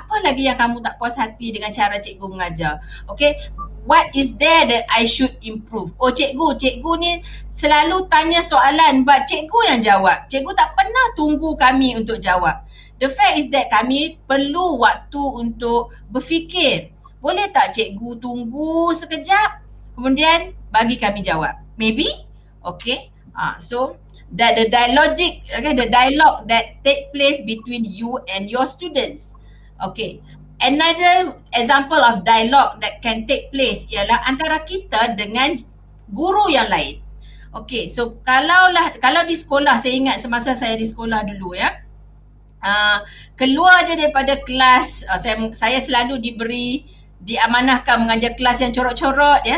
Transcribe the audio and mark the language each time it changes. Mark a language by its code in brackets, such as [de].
[ms] Apa lagi yang kamu tak puas hati dengan cara cikgu mengajar? [en] Okay, what is there that I should improve? [ms] Oh, cikgu ni selalu tanya soalan but cikgu yang jawab. Cikgu tak pernah tunggu kami untuk jawab. The fact is that kami perlu waktu untuk berfikir. Boleh tak cikgu tunggu sekejap kemudian bagi kami jawab? [en] Maybe? Okay. So that the dialogic, okay, the dialogue that take place between you and your students. Okay. Another example of dialogue that can take place ialah antara kita dengan guru yang lain. [ms] Okay, so kalau di sekolah, saya ingat semasa saya di sekolah dulu, ya, keluar je daripada kelas, saya selalu diamanahkan mengajar kelas yang corok-corok, ya.